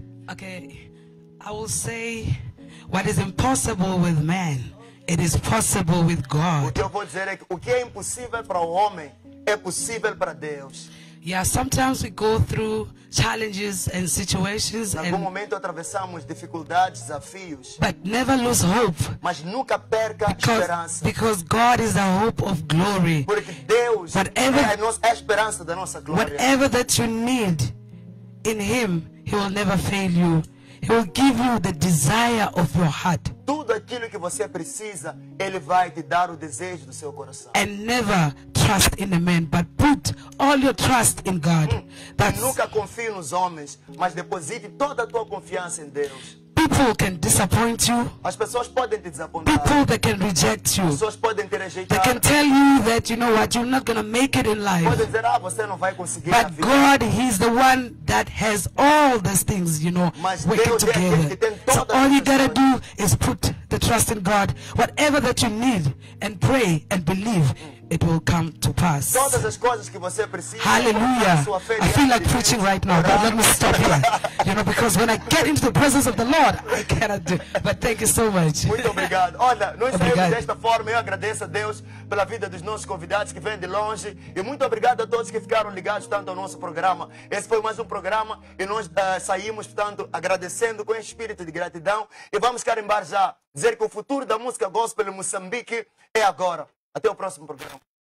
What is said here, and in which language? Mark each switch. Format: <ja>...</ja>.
<en>Okay, I will say what is impossible with man, it is possible with God.</en> <pt>O que eu vou dizer é que o que é impossível para o homem é possível para Deus.</pt> <en>Yeah, sometimes we go through challenges and situations.</en> <pt>Em algum momento atravessamos dificuldades, desafios.</pt> <en>But never lose hope.</en> <pt>Mas nunca perca esperança.</pt> <en>Because God is the hope of glory.</en> <pt>Porque Deus</pt> <en>whatever,</en> <pt>é a nossa esperança da nossa glória.</pt> <en>Whatever that you need in Him, He will never fail you. He will give you the desire of your heart.</en> <pt>Tudo aquilo que você precisa, Ele vai te dar o desejo do seu coração.</pt> <en>And never trust in a man, but put all your trust in God. That's...</en> <pt>Nunca confie nos homens, mas deposite toda a tua confiança em Deus.</pt> <en>People can disappoint you.</en> <pt>As pessoas podem te desapontar.</pt> <en>People that can reject you.</en> <pt>As pessoas podem te rejeitar.</pt> <en>They can tell you that, you know what, you're not going to make it in life.</en> <pt>Podem dizer, ah, você não vai conseguir.</pt> <en>But God, He's the one that has all those things, you know,</en> <pt>mas</pt> <en>working</en> <pt>Deus</pt> <en>together.</en> <pt>É que tem toda</pt> <en>so all you got to do is put the trust in God. Whatever that you need and pray and believe, it will come to pass.</en> <pt>Todas as coisas que você precisa.</pt> <en>Hallelujah. I feel like preaching right now, but let me stop here. You know, because when I get into the presence of the Lord, I cannot do. But thank you so much.</en> <pt>Muito obrigado. Olha, nós saímos desta forma. Eu agradeço a Deus pela vida dos nossos convidados que vêm de longe. E muito obrigado a todos que ficaram ligados tanto ao nosso programa. Esse foi mais um programa e nós saímos, portanto, agradecendo com espírito de gratidão. E vamos carimbar já, dizer que o futuro da música gospel em Moçambique é agora. Até o próximo programa.</pt>